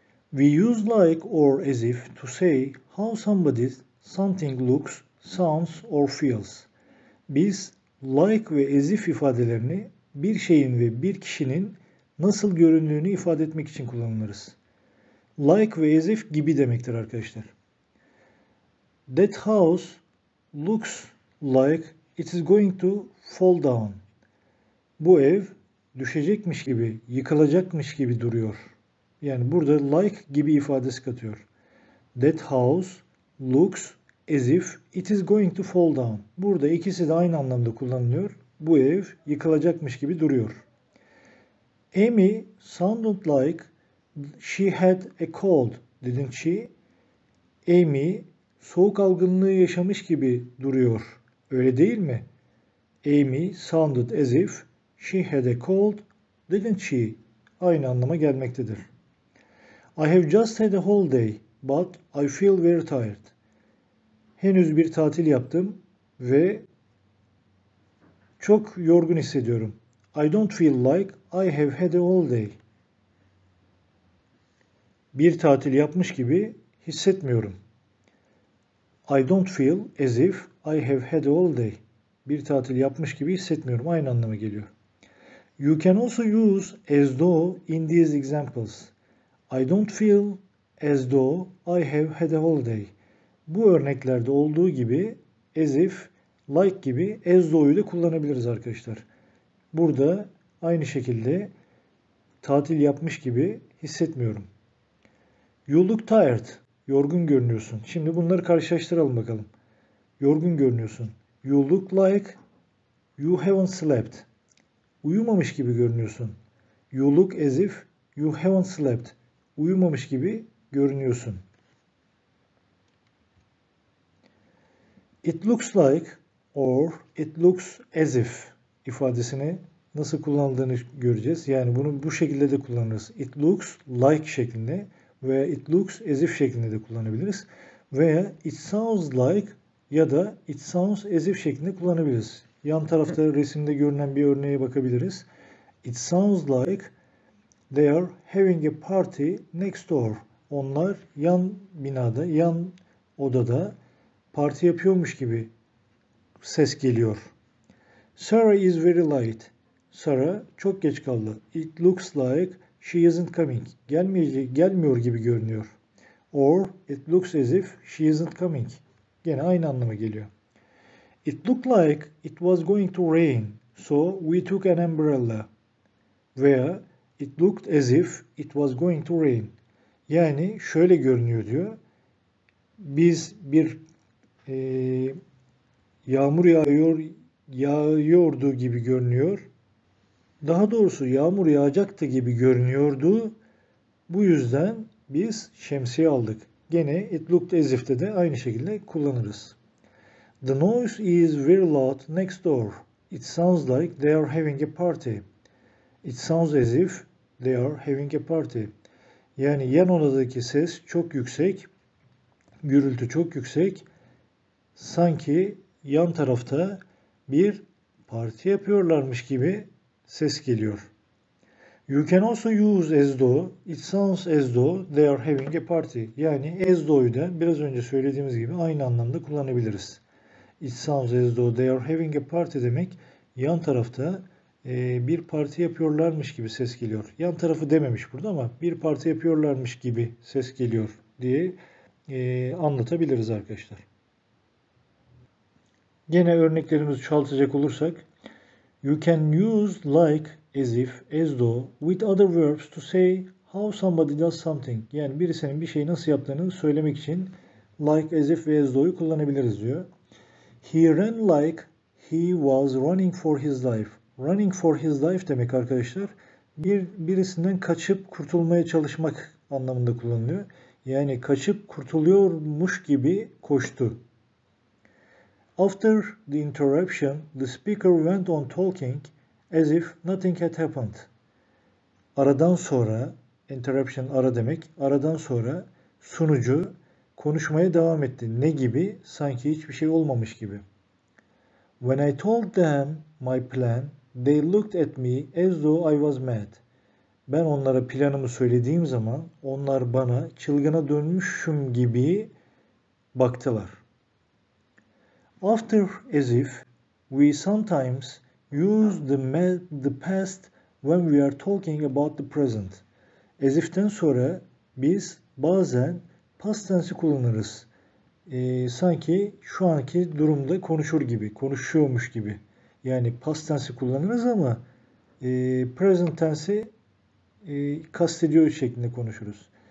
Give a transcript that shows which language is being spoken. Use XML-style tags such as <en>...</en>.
<en>We use like or as if to say how somebody, something looks, sounds or feels.</en> <tr>Biz like ve as if ifadelerini bir şeyin ve bir kişinin nasıl göründüğünü ifade etmek için kullanırız. Like ve as if gibi demektir arkadaşlar.</tr> <en>That house looks like it is going to fall down.</en> <tr>Bu ev düşecekmiş gibi, yıkılacakmış gibi duruyor. Yani burada like gibi ifadesi katıyor.</tr> <en>That house looks as if it is going to fall down.</en> <tr>Burada ikisi de aynı anlamda kullanılıyor. Bu ev yıkılacakmış gibi duruyor.</tr> <en>Amy sounded like she had a cold, didn't she?</en> <tr>Amy soğuk algınlığı yaşamış gibi duruyor. Öyle değil mi?</tr> <en>Amy sounded as if she had a cold, didn't she?</en> <tr>Aynı anlama gelmektedir.</tr> <en>I have just had a whole day, but I feel very tired.</en> <tr>Henüz bir tatil yaptım ve çok yorgun hissediyorum.</tr> <en>I don't feel like I have had a whole day.</en> <tr>Bir tatil yapmış gibi hissetmiyorum.</tr> <en>I don't feel as if I have had a whole day.</en> <tr>Bir tatil yapmış gibi hissetmiyorum. Aynı anlama geliyor.</tr> <en>You can also use as though in these examples. I don't feel as though I have had a whole day.</en> <tr>Bu örneklerde olduğu gibi as if, like gibi as though'yu da kullanabiliriz arkadaşlar. Burada aynı şekilde tatil yapmış gibi hissetmiyorum.</tr> <en>You look tired.</en> <tr>Yorgun görünüyorsun. Şimdi bunları karşılaştıralım bakalım. Yorgun görünüyorsun.</tr> <en>You look like you haven't slept.</en> <tr>Uyumamış gibi görünüyorsun.</tr> <en>You look as if you haven't slept.</en> <tr>Uyumamış gibi görünüyorsun.</tr> <en>It looks like or it looks as if</en> <tr>ifadesini nasıl kullanıldığını göreceğiz. Yani bunu bu şekilde de kullanırız.</tr> <en>It looks like</en> <tr>şeklinde veya</tr> <en>it looks as if</en> <tr>şeklinde de kullanabiliriz.</tr> <en>Veya it sounds like</en> <tr>ya da</tr> <en>it sounds as if</en> <tr>şeklinde kullanabiliriz. Yan tarafta resimde görünen bir örneğe bakabiliriz.</tr> <en>It sounds like they are having a party next door.</en> <tr>Onlar yan binada, yan odada parti yapıyormuş gibi ses geliyor.</tr> <en>Sarah is very late.</en> <tr>Sarah çok geç kaldı.</tr> <en>It looks like she isn't coming.</en> <tr>Gelmiyor gibi görünüyor.</tr> <en>Or it looks as if she isn't coming.</en> <tr>Gene aynı anlama geliyor.</tr> <en>It looked like it was going to rain, so we took an umbrella. Veya it looked as if it was going to rain.</en> <tr>Yani şöyle görünüyor diyor. Biz bir yağmur yağıyordu gibi görünüyor. Daha doğrusu yağmur yağacaktı gibi görünüyordu. Bu yüzden biz şemsiye aldık. Gene</tr> <en>it looked as if'te</en> <tr>de aynı şekilde kullanırız.</tr> <en>The noise is very loud next door. It sounds like they are having a party. It sounds as if they are having a party.</en> <tr>Yani yan odadaki ses çok yüksek. Gürültü çok yüksek. Sanki yan tarafta bir parti yapıyorlarmış gibi ses geliyor.</tr> <en>You can also use as though, it sounds as though they are having a party.</en> <tr>Yani as though'yu da biraz önce söylediğimiz gibi aynı anlamda kullanabiliriz.</tr> <en>It sounds as though they are having a party</en> <tr>demek yan tarafta bir parti yapıyorlarmış gibi ses geliyor. Yan tarafı dememiş burada ama bir parti yapıyorlarmış gibi ses geliyor diye anlatabiliriz arkadaşlar. Gene örneklerimizi çoğaltacak olursak,</tr> <en>you can use like, as if, as though with other verbs to say how somebody does something.</en> <tr>Yani birisinin bir şeyi nasıl yaptığını söylemek için like, as if ve as though'u kullanabiliriz diyor.</tr> <en>He ran like he was running for his life. Running for his life</en> <tr>demek arkadaşlar birisinden kaçıp kurtulmaya çalışmak anlamında kullanılıyor. Yani kaçıp kurtuluyormuş gibi koştu.</tr> <en>After the interruption, the speaker went on talking as if nothing had happened.</en> <tr>Aradan sonra, interruption ara demek, aradan sonra sunucu Konuşmaya devam etti. Ne gibi? Sanki hiçbir şey olmamış gibi.</tr> <en>When I told them my plan, they looked at me as though I was mad.</en> <tr>Ben onlara planımı söylediğim zaman onlar bana çılgına dönmüşüm gibi baktılar.</tr> <en>After as if, we sometimes use the past when we are talking about the present.</en> <tr>As if'ten sonra biz bazen past tense'i kullanırız. Sanki şu anki durumda konuşur gibi, konuşuyormuş gibi. Yani past tense'i kullanırız ama present tense'i kastediyor şeklinde konuşuruz.</tr>